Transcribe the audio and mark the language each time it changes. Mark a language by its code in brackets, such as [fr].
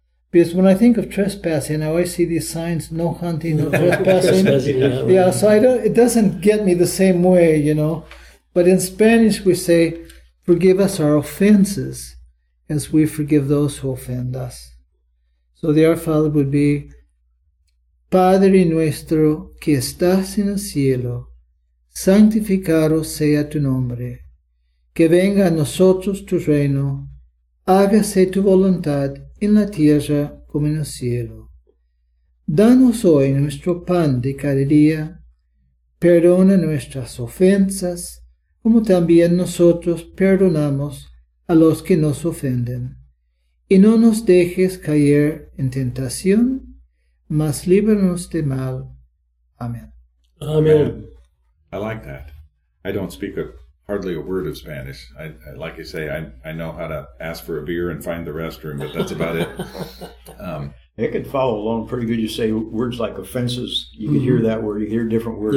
[en] Because when I think of trespassing, I always see these signs, no hunting, no trespassing. Yeah, so I don't, it doesn't get me the same way, you know. But in Spanish, we say, forgive us our offenses as we forgive those who offend us. So the Our Father would be, [es] Padre nuestro que estás en el cielo, santificado sea tu nombre, que venga a nosotros tu reino, hágase tu voluntad en la tierra como en el cielo. Danos hoy nuestro pan de cada día, perdona nuestras ofensas, como también nosotros perdonamos a los que nos ofenden. Y no nos dejes caer en tentación, mas líbranos de mal. [en] Amen. Amen. I like that. I don't speak hardly a word of Spanish. I like you say, I know how to ask for a beer and find the restroom, but that's about it. It could follow along pretty good. You say words like offenses. You can hear that where you hear different words.